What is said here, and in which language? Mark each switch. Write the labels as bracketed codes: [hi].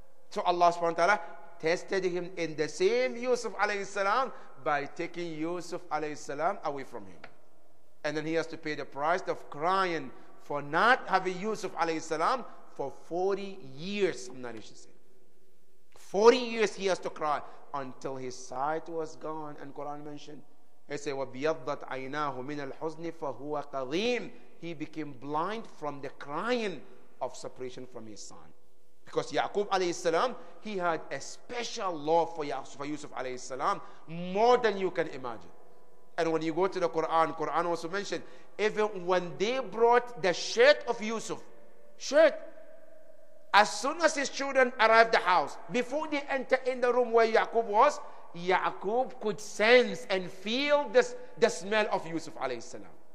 [en] So Allah subhanahu wa ta'ala tested him in the same Yusuf alayhi salam by taking Yusuf alayhi salam away from him. And then he has to pay the price of crying for not having Yusuf alayhi salam for 40 years. I'm not interested. 40 years he has to cry until his sight was gone. And Quran mentioned, he said, [ar] وَبِيَضَّتْ عَيْنَاهُ مِنَ الْحُزْنِ فَهُوَ قَظِيمٌ. [en] He became blind from the crying of separation from his son. Because Yaqub alayhi salam, he had a special love for Yusuf alayhi salam, more than you can imagine. And when you go to the Quran also mentioned, even when they brought the shirt of Yusuf, shirt, as soon as his children arrived the house, before they enter in the room where Yaqub was, Yaqub could sense and feel the smell of Yusuf alayhi salam.